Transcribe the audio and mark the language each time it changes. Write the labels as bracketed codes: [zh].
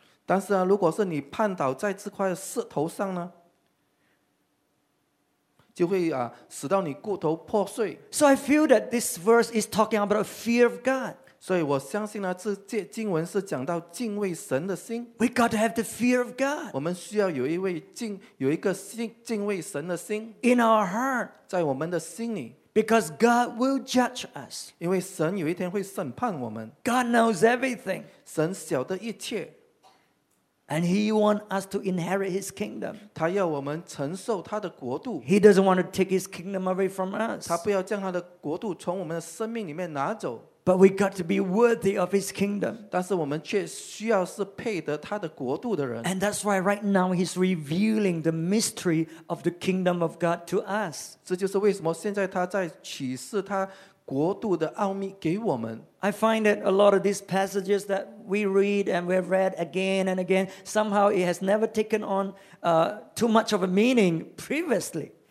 [zh] 但是呢，如果是你绊倒在这块石头上呢？就会使到你骨头破碎。 [en] So I feel that this verse is talking about a fear of God. [zh] 所以我相信呢，这节经文是讲到敬畏神的心。 [en] We got to have the fear of God. [zh] 我们需要有一个敬畏神的心。 [en] In our heart. [zh] 在我们的心里。 [en] Because God will judge us. [zh] 因为神有一天会审判我们。 [en] God knows everything. [zh] 神晓得一切。 [en] And he wants us to inherit his kingdom. [zh] 他要我们承受他的国度。 [en] He doesn't want to take his kingdom away from us. [zh] 他不要将他的国度从我们的生命里面拿走。 [en] But we got to be worthy of his kingdom. [zh] 但是我们却需要是配得他的国度的人。 [en] And that's why right now he's revealing the mystery of the kingdom of God to us. [zh] 这就是为什么现在他在启示他国度的奥秘给我们。 [en] I find that a lot of these passages that we read and we've read again and again, somehow it has never taken on too much of a meaning previously.